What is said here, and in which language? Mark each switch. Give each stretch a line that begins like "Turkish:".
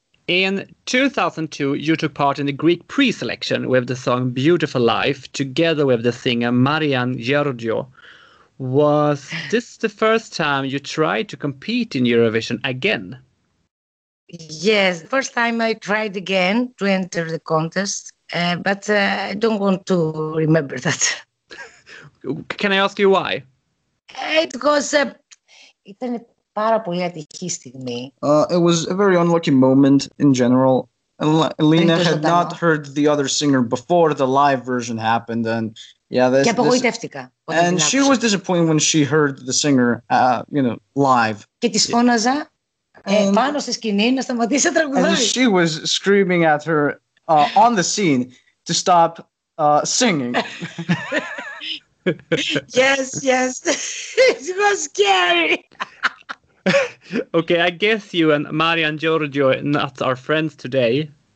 English: In 2002, you took part in the Greek pre-selection with the song Beautiful Life, together with the singer Marian Georgiou. Was this the first time you tried to compete in Eurovision again? Yes, first time I tried again to enter the contest, but I don't want to remember that. Can I ask you why? It was a
Greek: πάρα πολύ ατυχή στιγμή.
English: It was a very unlucky moment in general. Elena had not heard the other singer before the live version happened, and yeah, this.
Greek: Και απογοητεύτηκα. And she was disappointed when she heard the singer, live. Και τη φώναζα. Πάνω στη σκηνή να σταματήσει να τραγουδάει.
English: And she was screaming at her on the scene to stop singing. Yes, yes. It was scary. Okay, I guess you and Marian Giorgio are not our friends today.